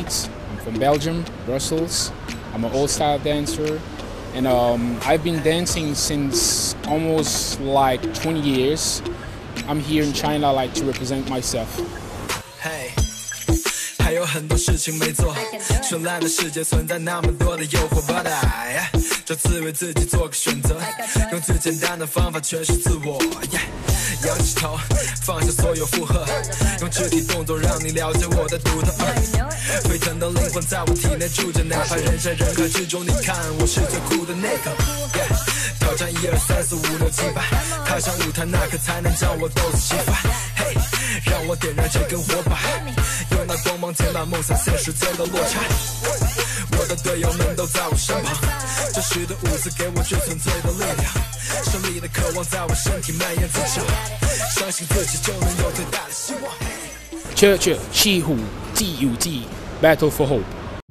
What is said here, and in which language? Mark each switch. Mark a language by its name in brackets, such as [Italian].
[English] I'm from Belgium, Brussels. I'm an old style dancer. And I've been dancing since almost like 20 years. I'm here in China like to represent myself. Hey. [Chinese] 还有很多事情没做，绚烂的世界存在那么多的诱惑 ， [English] But I [Chinese] 这次为自己做个选择，用最简单的方法诠释自我。 Yeah, 仰起头，放下所有负荷，用肢体动作让你了解我的独特。沸腾的灵魂在我体内住着，哪怕人山人海之中，你看我是最酷的那个。Yeah, 挑战一二三四五六七八，踏上舞台那刻才能将我斗志激发。嘿，让我点燃这根火把，用那光芒填满梦想现实间的落差。我的队友们都在我身旁，这时的舞姿给我最纯粹的力量，胜利的渴望在我身体蔓延滋长，相信自己就能有最大的希望。 Churchill 西湖第五季 Battle for Hope。